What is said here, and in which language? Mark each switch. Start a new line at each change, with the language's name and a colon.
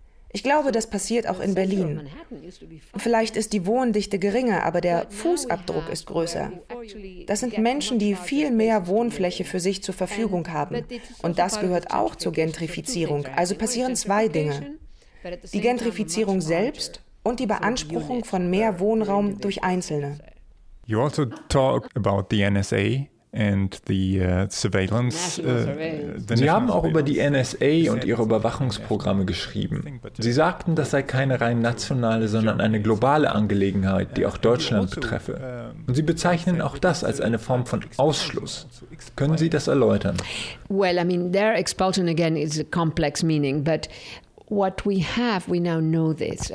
German: Ich glaube, das passiert auch in Berlin. Vielleicht ist die Wohndichte geringer, aber der Fußabdruck ist größer. Das sind Menschen, die viel mehr Wohnfläche für sich zur Verfügung haben. Und das gehört auch zur Gentrifizierung. Also passieren 2 Dinge. Die Gentrifizierung selbst und die Beanspruchung von mehr Wohnraum durch Einzelne.
English: You also talk about the NSA. And the surveillance.
German: Sie haben auch über die NSA und ihre Überwachungsprogramme geschrieben. Sie sagten, das sei keine rein nationale, sondern eine globale Angelegenheit, die auch Deutschland betreffe. Und Sie bezeichnen auch das als eine Form von Ausschluss. Können Sie das erläutern?
English: Well, I mean, their expulsion again is a complex meaning, but what we have, we now know this.